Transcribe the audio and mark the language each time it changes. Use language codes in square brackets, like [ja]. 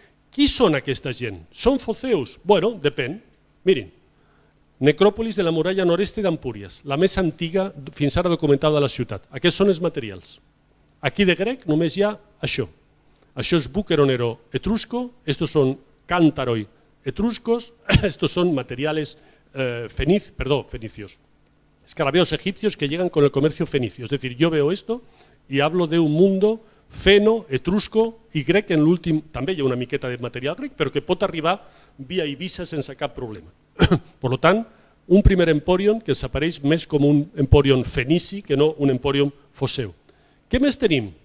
[ca] Qui són aquesta gent? Són foceus? Bueno, depèn. Mirin, necròpolis de la muralla noreste d'Empúries, la més antiga fins ara documentada de la ciutat. Aquests són els materials. Aquí de grec només hi ha això. Això és [es] buqueronero etrusco, estos són cántaroi etruscos, estos són materials fenicios. Escarabeos egipcios que llegan con el comercio fenicio. Es decir, yo veo esto y hablo de un mundo feno, [ca] etrusco i grec, en l'últim també hi ha una miqueta de material grec, però que pot arribar via Eivissa sense cap problema. Per tant, un primer Empòrion que s'apareix més com un Empòrion fenici que no un Empòrion foceu. Què més tenim?